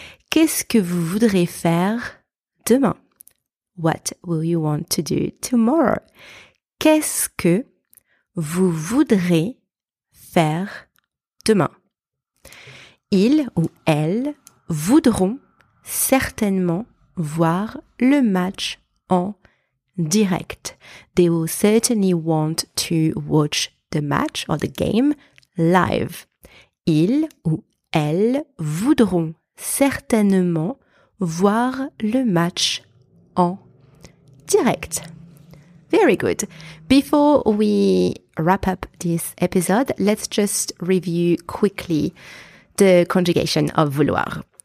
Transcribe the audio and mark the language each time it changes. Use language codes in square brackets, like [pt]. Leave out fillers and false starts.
[fr] Qu'est-ce que vous voudrez faire demain? [en] What will you want to do tomorrow? [fr] Qu'est-ce que vous voudrez faire demain? Ils ou elles voudront certainement voir le match en direct. [en] They will certainly want to watch the match or the game live. [fr] Ils ou elles voudront certainement voir le match en direct. [en] Very good. Before we wrap up this episode, let's just review quickly the conjugation of vouloir.